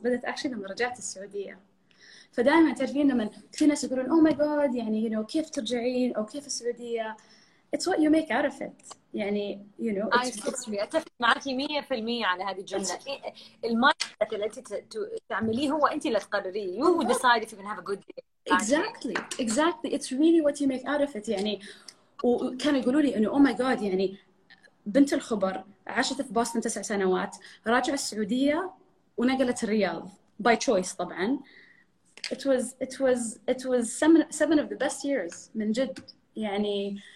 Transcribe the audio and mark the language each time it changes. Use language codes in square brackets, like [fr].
[ar] بدأت [en] actually [ar] لما رجعت السعودية. فدائما تعرفين لما في ناس يقولون [en] oh my god [ar] يعني [en] you know [ar] كيف ترجعين أو كيف السعودية. [en] It's what you make out of it. [ar] يعني [en] you know. [ar] أتفق معك 100% على هذه الجملة. المايند التي تعمليه هو أنت اللي تقرريه. [en] You will decide if you can have a good day. Exactly. Exactly. It's really what you make out of it. [ar] يعني وكانوا يقولوا لي إنه [en] oh my god [ar] يعني بنت الخبر عاشت في بوسطن 9 سنوات راجع السعودية ونقلت الرياض [en] by choice [ar] طبعاً. [en] It was seven of the best years [ar] من جد يعني.